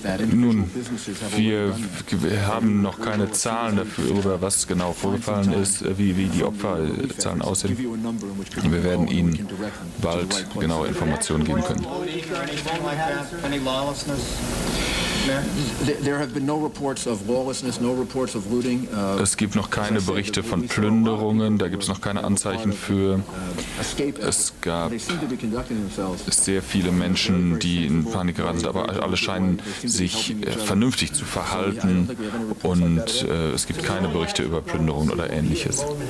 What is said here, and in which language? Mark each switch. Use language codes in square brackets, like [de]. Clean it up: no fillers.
[de] Nun, wir haben noch keine Zahlen dafür, über was genau vorgefallen ist, wie die Opferzahlen aussehen. Wir werden Ihnen bald genaue Informationen geben können. [en] There have been no reports of lawlessness, no reports of looting. [de] Es gibt noch keine Berichte von Plünderungen, da gibt es noch keine Anzeichen für. Es gab sehr viele Menschen, die in Panik geraten sind, aber alle scheinen sich vernünftig zu verhalten und es gibt keine Berichte über Plünderungen oder Ähnliches.